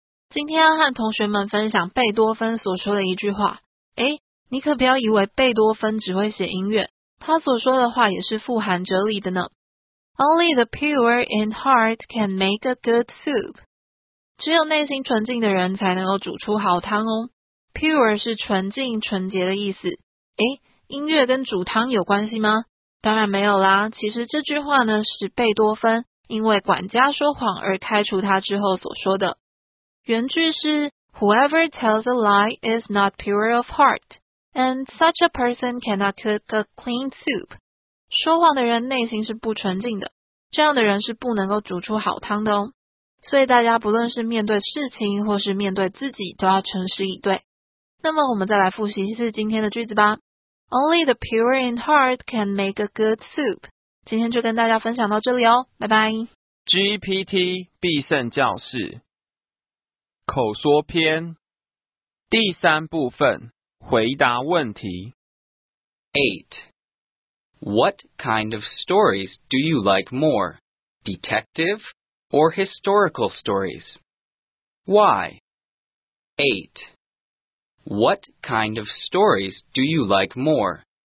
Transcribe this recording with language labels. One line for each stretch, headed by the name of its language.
Chinese: 今天要和同学们分享贝多芬所说的一句话。诶，你可不要以为贝多芬只会写音乐，他所说的话也是富含哲理的呢。
English: Only the pure in heart can make a good soup.
Chinese: 只有内心纯净的人才能够煮出好汤哦。Pure 是纯净、纯洁的意思。诶，音乐跟煮汤有关系吗？当然没有啦其实这句话呢是贝多芬因为管家说谎而开除他之后所说的。原句是
English: Whoever tells a lie is not pure of heart, and such a person cannot cook a clean soup.
Chinese: 说谎的人内心是不纯净的，这样的人是不能够煮出好汤的哦。所以大家不论是面对事情或是面对自己，都要诚实以对。那么我们再来复习一次今天的句子吧。
English: Only the pure in heart can make a good soup.
Chinese: 今天就跟大家分享到这里哦，拜拜。 GPT 必胜教室口说篇第三部分回答问题
English: 8. What kind of stories do you like more? Detective or historical stories? Why? 8. What kind of stories do you like more?